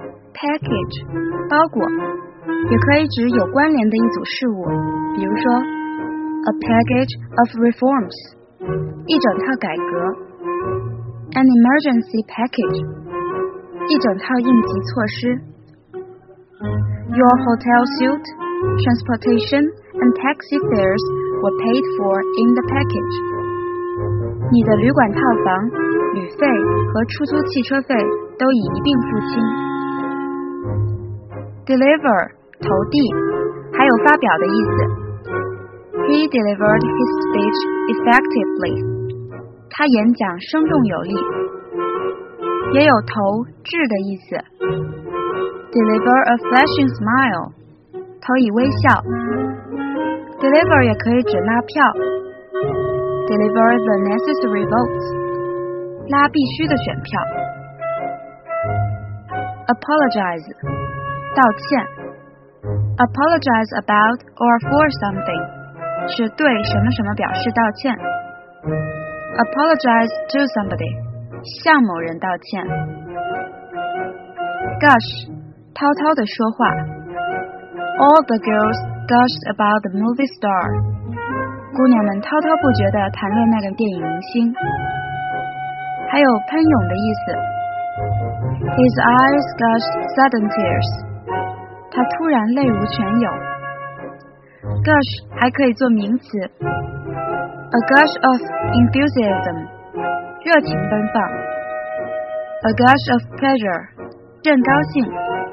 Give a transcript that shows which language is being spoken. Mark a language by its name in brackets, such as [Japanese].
[Chinese] Package 包裹，也可以指有关联的一组事物，比如说 a package of reforms 一整套改革， an emergency package 一整套应急措施。 [English] Your hotel suit, transportation and taxi fares were paid for in the package。 [Chinese] 你的旅馆套房、旅费和出租汽车费都已一并付清。 Deliver 投递，还有发表的意思。 [English] He delivered his speech effectively。 [Chinese] 他演讲生动有力。也有投掷的意思。 [English] Deliver a flashing smile，投以微笑。 [Chinese] Deliver 也可以指拉票。 [English] Deliver the necessary votes，拉必须的选票。 [Chinese] Apologize， 道歉。 Apologize about or for something，是对什么什么表示道歉。 Apologize to somebody，向某人道歉。 [English] Gush，滔滔的说话。 All the girls gushed about the movie star。 [Chinese] 姑娘们滔滔不绝地谈论那个电影明星。还有喷涌的意思。 [English] His eyes gushed sudden tears，他突然泪如泉涌。 Gush 还可以做名词， A gush of enthusiasm，热情奔放。 A gush of pleasure，正高兴。